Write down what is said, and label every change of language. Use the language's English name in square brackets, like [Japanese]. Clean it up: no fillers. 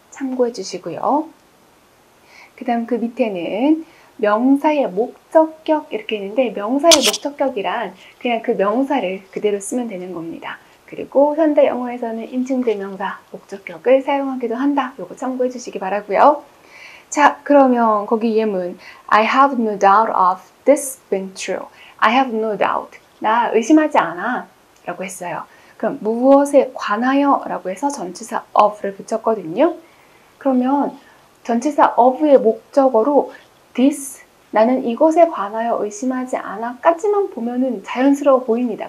[Korean] 참고해 주시고요. 그 다음 그 밑에는 명사의 목적격 이렇게 있는데 명사의 목적격이란 그냥 그 명사를 그대로 쓰면 되는 겁니다. 그리고 현대 영어에서는 인칭 대명사 목적격을 사용하기도 한다. 요거 참고해 주시기 바라고요. 자 그러면 거기 예문 [English] I have no doubt of this being true. I have no doubt. [Korean] 나 의심하지 않아 라고 했어요. 그럼 무엇에 관하여 라고 해서 전치사 of를 붙였거든요. 그러면 전치사 of의 목적어로 this, 나는 이것에 관하여 의심하지 않아 까지만 보면은 자연스러워 보입니다.